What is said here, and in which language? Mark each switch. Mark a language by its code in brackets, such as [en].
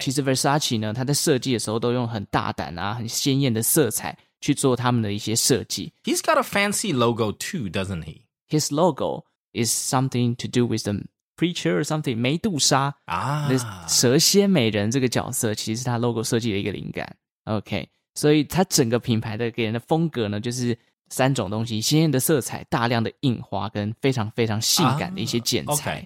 [zh] 其实 Versace 呢他在设计的时候都用很大胆啊很鲜艳的色彩去做他们的一些设计。 [en] He's got a fancy logo too, doesn't he? His logo is something to do with the preacher or something, 梅杜莎、 ah. [zh] 蛇蝎美人这个角色其实是他 logo 设计的一个灵感。 [en] Okay. [zh] 所以它整个品牌的给人的风格呢，就是三种东西：鲜艳的色彩、大量的印花跟非常非常性感的一些剪裁。